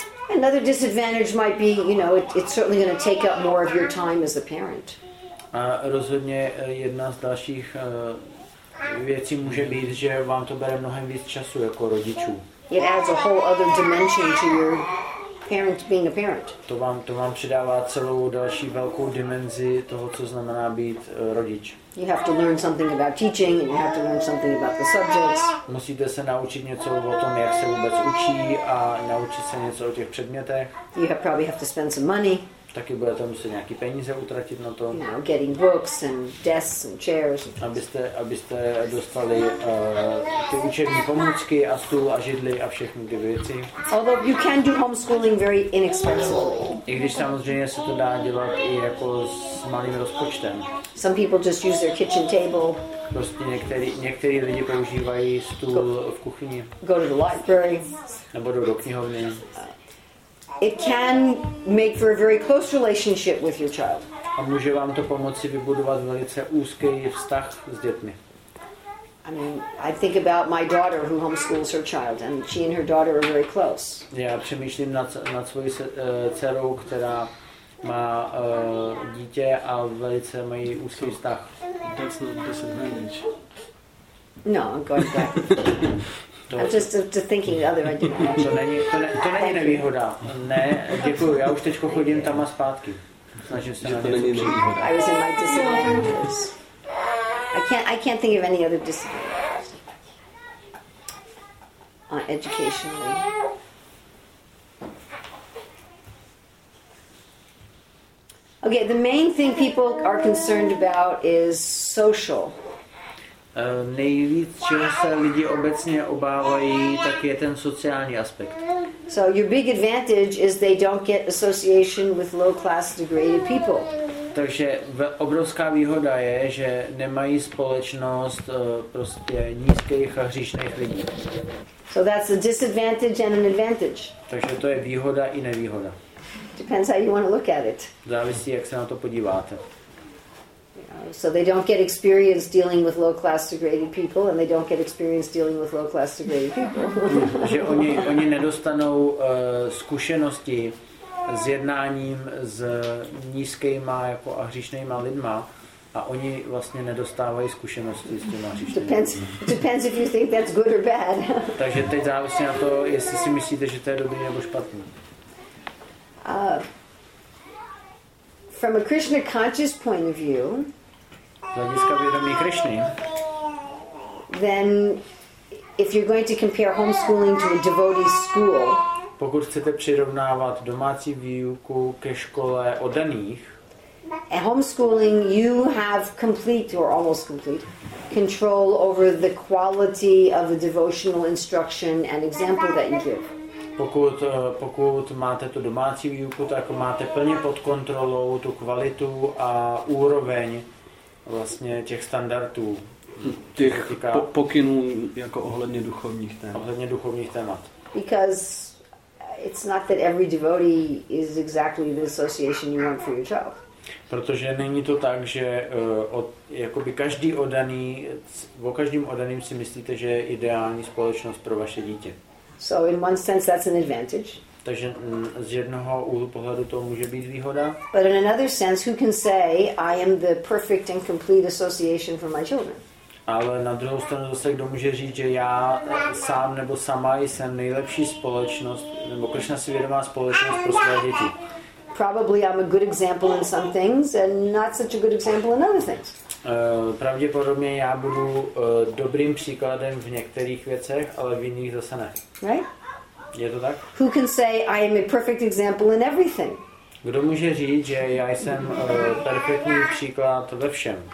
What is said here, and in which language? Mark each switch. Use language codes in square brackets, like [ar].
[en] Another disadvantage might be, you know, it's certainly going to take up more of your time as a parent. [cs] A rozhodně jedna z dalších věcí může být, že vám to bere mnohem víc času jako rodičů. [en] It adds a whole other dimension to your parent being a parent. [cs] To vám přidává celou další velkou dimenzi toho, co znamená být rodič. [en] You have to learn something about teaching and you have to learn something about the subjects. [cs] Musíte se naučit něco o tom, jak se vůbec učí a naučit se něco o těch předmětech. [en] You probably have to spend some money. [cs] Taky budete muset nějaký peníze utratit na to. [en] You know, getting books and desks and chairs. [cs] Abyste dostali ty učební pomůcky a stůl a židli a všechny ty věci. [en] Although you can do homeschooling very inexpensively. [cs] I když samozřejmě se to dá dělat i jako s malým rozpočtem. [en] Some people just use their kitchen table. [cs] Prostě někteří lidi používají stůl v kuchyni. [en] Go to the library. [cs] Nebo do knihovny. [en] It can make for a very close relationship with your child. [cs] A může vám to pomoci vybudovat velice úzký vztah s dětmi. [en] I mean, I think about my daughter who homeschools her child, and she and her daughter are very close. [cs] Já přemýšlím nad svou dcerou, která má dítě a velice mají úzký vztah. [en] That's not a disadvantage. No, I'm going back. I'm just to thinking the other idea. [cs] To není nevýhoda. Ne, děkuju. Já už teďko chodím tam a zpátky. Snažím se na něco. [en] I was in my disadvantages. I can't think of any other disadvantages. Educationally. Okay, the main thing people are concerned about is social. [cs] Nejvíc, čeho se lidi obecně obávají, tak je ten sociální aspekt. [en] So your big advantage is they don't get association with low-class degraded people. [cs] Takže obrovská výhoda je, že nemají společnost prostě nízkých a hříšných lidí. [en] So that's a disadvantage and an advantage. [cs] Takže to je výhoda i nevýhoda. [en] Depends how you want to look at it. [cs] Závisí, jak se na to podíváte. [en] So they don't get experience dealing with low class degraded people and they don't get experience dealing with low class degraded people. [cs] Že oni nedostanou zkušenosti s jednáním s nízkýma jako a hříšnýma lidma. A oni vlastně nedostávají zkušenosti s těma hřištěmi. [en] Depends if you think that's good or bad. [cs] Takže teď závisí na to, jestli si myslíte, že to je dobrý nebo špatný. [en] From a Krishna conscious point of view, [cs] z hlediska vědomí Krishny, [en] then if you're going to compare homeschooling to a devotee's school, [cs] pokud chcete přirovnávat domácí výuku ke škole oddaných, [en] at homeschooling you have complete or almost complete control over the quality of the devotional instruction and example that you give. [cs] Pokud máte tu domácí výuku, tak máte plně pod kontrolou tu kvalitu a úroveň vlastně těch standardů. Těch pokynů jako ohledně duchovních témat. [en] Because it's not that every devotee is exactly the association you want for your child. [cs] Protože není to tak, že každý oddaný, o každém oddaným si myslíte, že je ideální společnost pro vaše dítě. [en] So in one sense that's an advantage. [cs] Takže z jednoho úhlu pohledu to může být výhoda. [en] But in another sense, who can say I am the perfect and complete association for my children? [cs] Ale na druhou stranu zase kdo může říct, že já sám nebo sama jsem nejlepší společnost, nebo Krishna si vědomá společnost pro své děti. [en] Probably I'm a good example in some things and not such a good example in other things. [cs] Pravděpodobně já budu dobrým příkladem v některých věcech, ale v jiných zase ne. [en] Right? [cs] Je to tak? [en] Who can say I am a perfect example in everything? [cs] Kdo může říct, že já jsem perfektní příklad ve všem?